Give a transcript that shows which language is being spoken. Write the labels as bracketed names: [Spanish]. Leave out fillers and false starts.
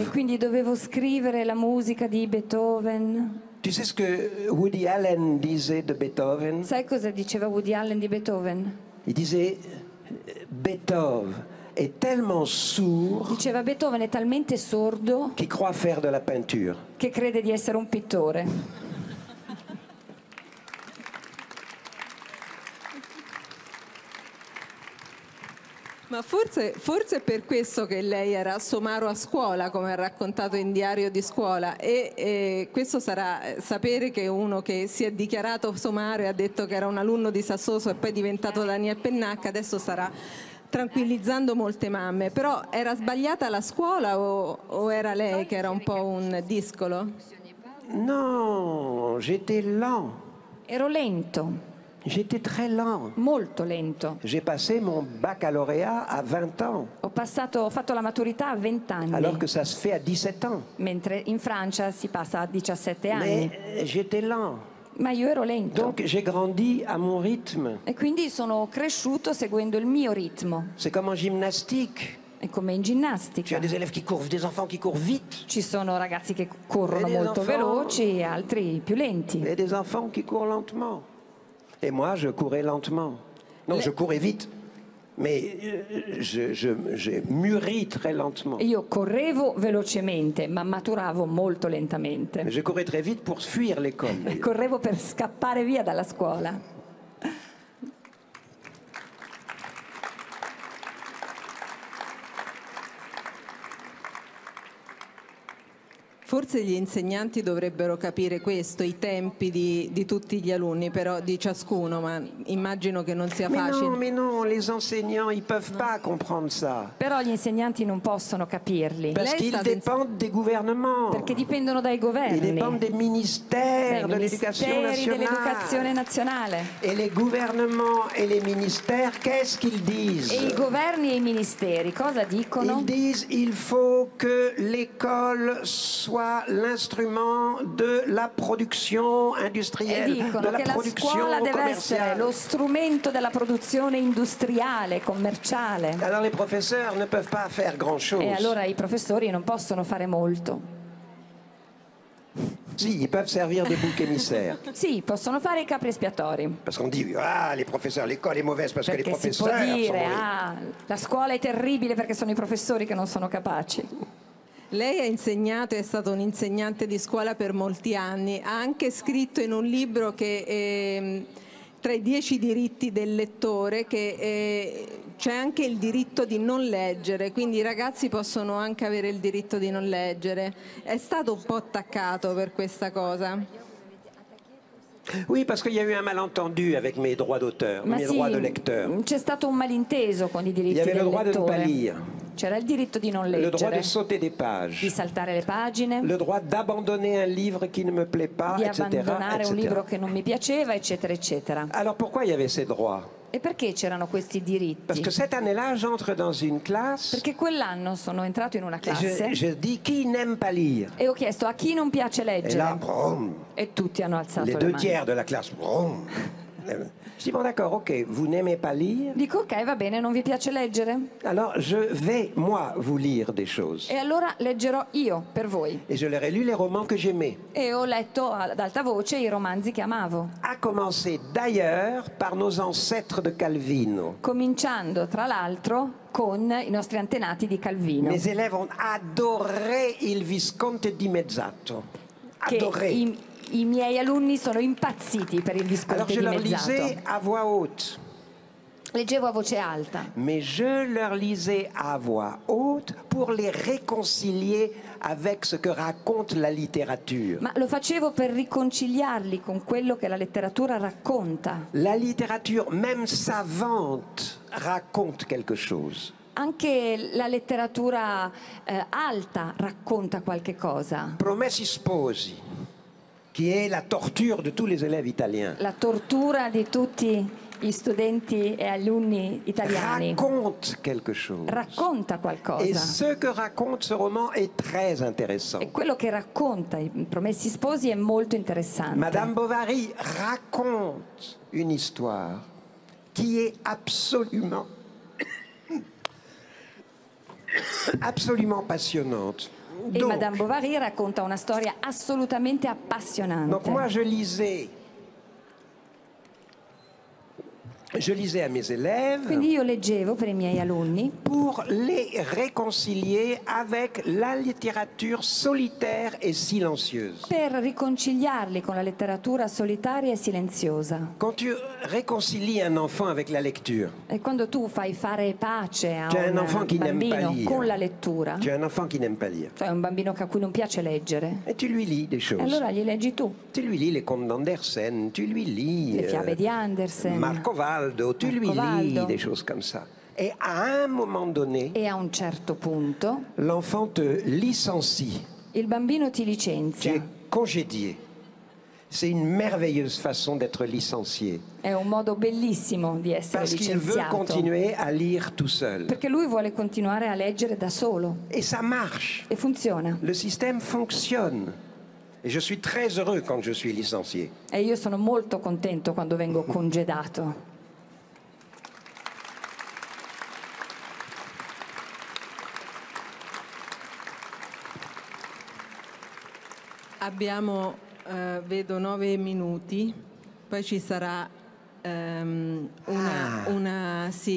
[Italian] E quindi dovevo scrivere la musica di Beethoven. [French] Tu sais ce que Woody Allen disait de Beethoven? [Italian] Sai cosa diceva Woody Allen di Beethoven? [French] Il disait Beethoven [Italian] è [French] tellement sourd. [Italian] Diceva Beethoven è talmente sordo. [French] Qui croit faire de la peinture. [Italian] Che crede di essere un pittore. Ma forse è per questo che lei era somaro a scuola, come ha raccontato in diario di scuola, e questo sarà sapere che uno che si è dichiarato somaro e ha detto che era un alunno di Sassoso e poi è diventato Daniel Pennac, adesso sarà tranquillizzando molte mamme. Però era sbagliata la scuola o era lei che era un po' un discolo? [French] No, j'étais lent. [Italian] Ero lento. [French] J'étais très lent. [Italian] Molto lento. [French] J'ai passé mon baccalauréat à 20 ans. [Italian] Ho fatto la maturità a 20 anni. [French] Alors que ça se fait à 17 ans. [Italian] Mentre in Francia si passa a 17 anni. [French] Mais j'étais lent. [Italian] Ma io ero lento. [French] Donc j'ai grandi à mon rythme. [Italian] E quindi sono cresciuto seguendo il mio ritmo. [French] C'est comme en gymnastique. [Italian] È come in ginnastica. [French] Tu as des élèves qui courent, des enfants qui courent vite. [Italian] Ci sono ragazzi che corrono molto [French] enfants, [Italian] veloci e altri più lenti. [French] Et des enfants qui courent lentement. Et moi, je courais lentement. Non, je courais vite, mais j'ai mûri très lentement. [Italian] Io correvo velocemente, ma maturavo molto lentamente. [French] Mais je courais très vite pour fuir l'école. [Italian] Correvo per scappare via dalla scuola. Forse gli insegnanti dovrebbero capire questo, i tempi di tutti gli alunni, però di ciascuno, ma immagino che non sia facile. [French] Mais non, les enseignants, ils peuvent pas comprendre ça. [Italian] Però gli insegnanti non possono capirli. [French] Parce qu'ils dépendent des gouvernements. [Italian] Perché dipendono dai governi. [French] Ils dépendent des ministères de l'éducation nationale. [Italian] Dell'educazione nazionale. [French] Et les gouvernements et les ministères, qu'est-ce qu'ils disent? [Italian] E i governi e i ministeri, cosa dicono? [French] Ils disent, il faut que l'école soit l'instrument de la production industrielle, [Italian] dicono, [French] de la production la commerciale. [Italian] Deve essere lo strumento della produzione industriale, commerciale. [French] Alors les professeurs ne peuvent pas faire grand chose. [Italian] E allora i professori non possono fare molto. Sì, [French] ils peuvent servir de bouc émissaire. [Italian] Sì, possono fare i capri espiatori. [French] Parce qu'on dit, ah, les professeurs, l'école est mauvaise parce [Italian] perché [French] que les professeurs [Italian] si può dire, [French] sont [Italian] ah, la scuola è terribile perché sono i professori che non sono capaci. Lei ha insegnato, è stato un insegnante di scuola per molti anni, ha anche scritto in un libro che tra i 10 diritti del lettore, che c'è anche il diritto di non leggere, quindi i ragazzi possono anche avere il diritto di non leggere. È stato un po' attaccato per questa cosa? [French] Oui, parce qu'il y a eu un malentendu avec mes droits d'auteur, [Italian] ma [French] mes [Italian] sì, [French] droits de lecteur. [Italian] C'è stato un malinteso con i diritti del lettore. Il [French] droit [Italian] lettore. [French] De pas lire. [Italian] C'era il diritto di non leggere. [French] Le droit de sauter des pages. [Italian] Di saltare le pagine. [French] Le droit d'abandonner un livre qui ne me plaît pas, [Italian] di [French] etc. [Italian] Di abbandonare un libro che non mi piaceva, eccetera, eccetera. [French] Alors pourquoi il y avait ces droits? [Italian] E perché c'erano questi diritti? [French] Parce que cette année-là, j'entre dans une classe. [Italian] Perché quell'anno sono entrato in una classe. [French] Je dis qui n'aime pas lire. [Italian] E ho chiesto a chi non piace leggere. [French] Et là, brum, [Italian] e tutti hanno alzato le mani. [French] Le deux tiers de la classe. Brum. Je dis bon d'accord, ok, vous n'aimez pas lire. [Italian] Dico ok, va bene, non vi piace leggere. [French] Alors je vais moi vous lire des choses. [Italian] E allora leggerò io per voi. [French] Et je leur ai lu les romans que j'aimais. [Italian] E ho letto ad alta voce i romanzi che amavo. [French] A commencer d'ailleurs par nos ancêtres de Calvino. [Italian] Cominciando tra l'altro con i nostri antenati di Calvino. [French] Mes élèves ont adoré il Visconte di Mezzato. Adoré. [Italian] I miei alunni sono impazziti per il Visconte di Mezzato. [French] Alors je leur lisais à voix haute. [Italian] Leggevo a voce alta. [French] Mais je leur lisais à voix haute pour les réconcilier avec ce que raconte la littérature. [Italian] Ma lo facevo per riconciliarli con quello che la letteratura racconta. [French] La littérature, même savante, raconte quelque chose. [Italian] Anche la letteratura alta racconta qualche cosa. Promessi sposi. [French] Qui est la torture de tous les élèves italiens. [Italian] La tortura di tutti gli studenti e alunni italiani. [French] Raconte quelque chose. [Italian] Racconta qualcosa. [French] Et ce que raconte ce roman est très intéressant. [Italian] E quello che racconta i Promessi sposi è molto interessante. [French] Madame Bovary raconte une histoire qui est absolument absolument passionnante. [Italian] E [French] donc, [Italian] Madame Bovary racconta una storia assolutamente appassionante. [French] Donc moi je lisais à mes élèves. [Italian] Quindi io leggevo per i miei alunni. [French] Pour les réconcilier avec la littérature solitaire et silencieuse. [Italian] Per riconciliarli con la letteratura solitaria e silenziosa. [French] Quand tu réconcilies un enfant avec la lecture. [Italian] E quando tu fai fare pace a un [French] enfant qui n'aime pas lire. [Italian] Con la lettura. [French] Tu as un enfant qui n'aime pas lire. [Italian] Cioè un bambino a cui non piace leggere. [French] Et tu lui lis des choses. [Italian] E allora gli leggi tu. [French] Tu lui lis les contes d'Andersen. Tu lui lis. [Italian] Le fiabe di Andersen. [French] Tu lui lis des choses comme ça. Et à un moment donné, et à [Italian] un certo punto, [French] l'enfant te licencie. [Italian] Il bambino ti licenzia. [French] Tu es congédié. C'est une merveilleuse façon d'être licencié. [Italian] È un modo bellissimo di essere [French] parce [Italian] licenziato. [French] Parce qu'il veut continuer à lire tout seul. [Italian] Perché lui vuole continuare a leggere da solo. [French] Et ça marche. [Italian] E funziona. [French] Le système fonctionne. Et je suis très heureux quand je suis licencié. [Italian] E io sono molto contento quando vengo congedato. Abbiamo, vedo, 9 minuti. Poi ci sarà una sì,